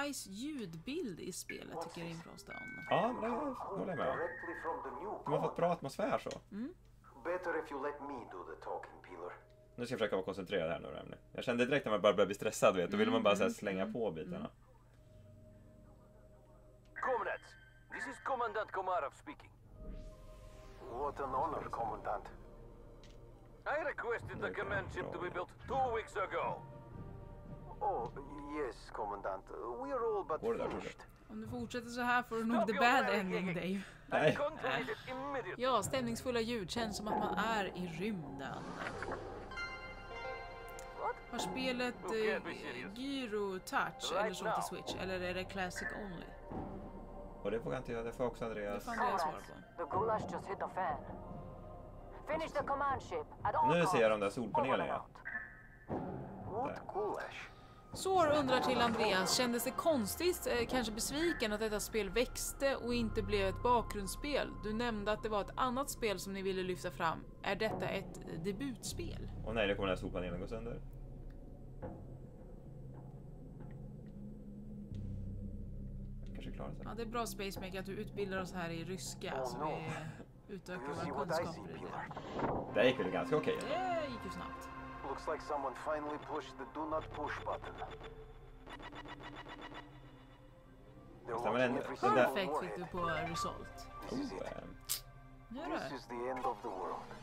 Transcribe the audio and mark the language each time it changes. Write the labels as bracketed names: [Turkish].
[Swedish] Nice ljudbild i spelet, tycker jag, från stan. Ja, men det håller jag med. De har fått bra atmosfär så. [English] Better if you let me do the talking, Peeler. [Swedish] Nu ska jag försöka vara koncentrerad här nu, Remli. Jag kände direkt att man bara började bli stressad, vet. Då ville man bara så här, slänga på bitarna. [English] Comrades! This is Commandant Komarov speaking. What an honor, Commandant. I requested the command ship to be built 2 weeks ago. Oh, yes, Commandant. We are all but finished. [Swedish] Om du fortsätter så här får du nog [English] the bad ending, [Swedish] Dave. Nej. Ja, stämningsfulla ljud. Känns som att man är i rymden. Har spelet Gyro Touch eller sånt till Switch? Eller är det Classic Only? Och det får jag inte göra, det får också Andreas. Det får Andreas svara på. [English] The gulash just hit the fan. Finish the command ship at all. [Swedish] Nu ser jag de där solpanelen, ja. [English] What gulash? [Swedish] Sår undrar till Andreas, kändes det konstigt, kanske besviken att detta spel växte och inte blev ett bakgrundsspel? Du nämnde att det var ett annat spel som ni ville lyfta fram. Är detta ett debutspel? Och nej, det kommer den här solpanelen gå sönder. Ja, det är bra, Spacemaker, att du utbildar oss här i ryska, så vi utökar våra kunskaper i det. Det gick ju ganska okej. Det gick ju snabbt. [English] Looks like someone finally pushed the do not push button. [Swedish] Perfekt fick du på result. [English] This is the end of the world.